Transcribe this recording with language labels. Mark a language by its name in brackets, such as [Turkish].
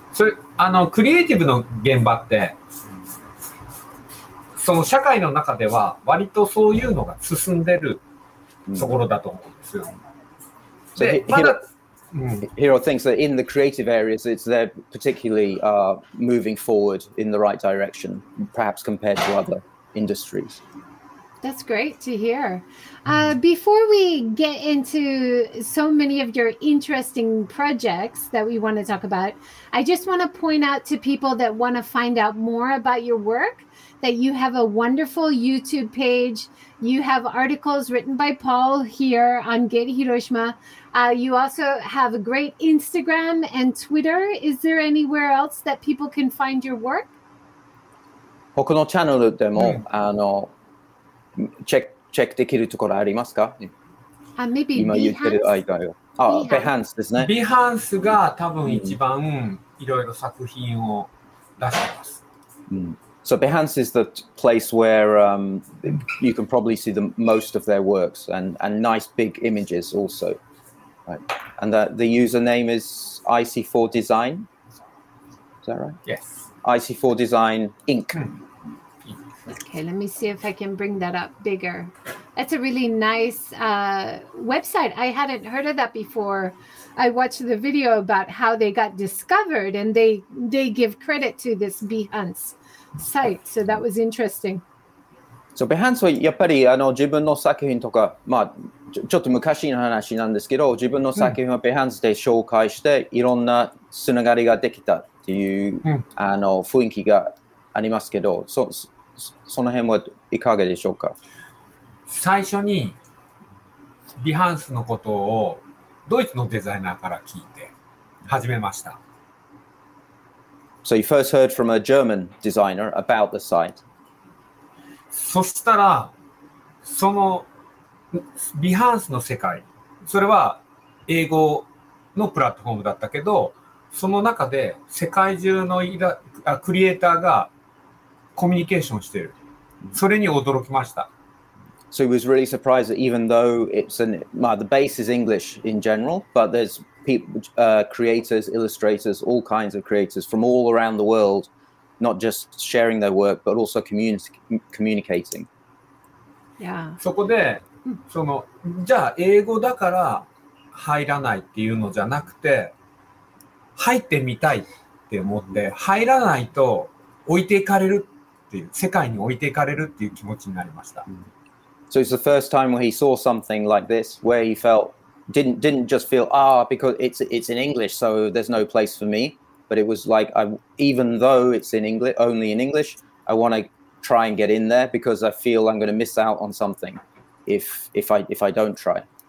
[Japanese] それあのクリエイティブの現場ってその社会の中では割とそういうのが進んでるところだと思うんですよ。 [English] So、 [Japanese] でまだ [English] Hiro thinks that in the creative areas it's they're particularly moving forward in the right direction perhaps compared to other industries. That's great to hear. Before we get into so many of your interesting projects that we want to talk about, I just want to point out to people that want to find out more about your work that you have a wonderful YouTube page. You have articles written by Paul here on Get Hiroshima. You also have a great Instagram and Twitter. Is there anywhere else that people can find your work? [Japanese] 他のチャンネルでも、あの、チェックできるところありますか？今言ってる間は。あ、Behance ですね。 Behance が多分一番いろいろ作品を出してます。 [English] So Behance is the place where you can probably see the most of their works and nice big images also. Right. And the username is IC4Design. Is that right? IC4Design Inc. Okay, let me see if I can bring that up bigger. That's a really nice website. I hadn't heard of that before. I watched the video about how they got discovered, and they give credit to this Behance site. So that was interesting. [Japanese] So Behance はやっぱりあの自分の作品とか、まあ、ちょっと昔の話なんですけど、自分の作品を Behance で紹介して、いろんなつながりができたっていう、あの雰囲気がありますけど、その辺はいかがでしょうか。最初にビハンスのことをドイツのデザイナーから聞いて始めました。 [English] So you first heard from a German designer about the site. [Japanese] そしたらそのビハンスの世界、それは英語のプラットフォームだったけど、その中で世界中のクリエイターがコミュニケーションしている。それに驚きました。 [English] So he was really surprised that even though it's an, well, the base is English in general, but there's people, creators, illustrators, all kinds of creators from all around the world, not just sharing their work, but also communicating. Yeah. [Japanese] そこで、その、じゃあ英語だから入らないっていうのじゃなくて、入ってみたいって思って、入らないと置いていかれる。世界に置いていかれるっていう気持ちになりました。 [English] So it's the first time where he saw something like this, where he felt didn't just feel because it's in English, so there's no place for me. But it was like I even though it's in English only in English, I want to try and get in there because I feel I'm going to miss out on something if I don't try.